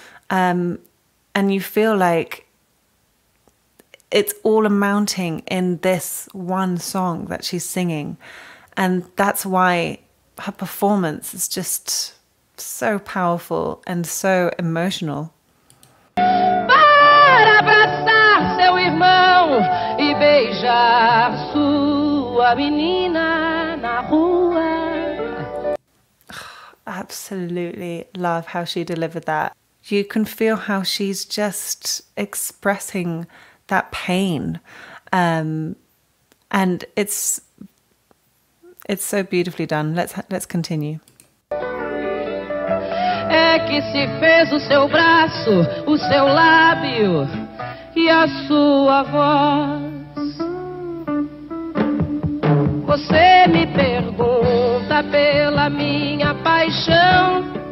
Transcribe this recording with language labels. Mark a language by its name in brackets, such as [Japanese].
[English] And you feel like it's all amounting in this one song that she's singing. And that's why her performance is just so powerful and so emotional. [Portuguese] Para abraçar seu irmão e beijar sua menina na rua. [English] Absolutely love how she delivered that. You can feel how she's just expressing that pain, and it's so beautifully done. Let's continue. [Portuguese] É que se fez o seu braço, o seu lábio e a sua voz. Você me pergunta pela minha paixão.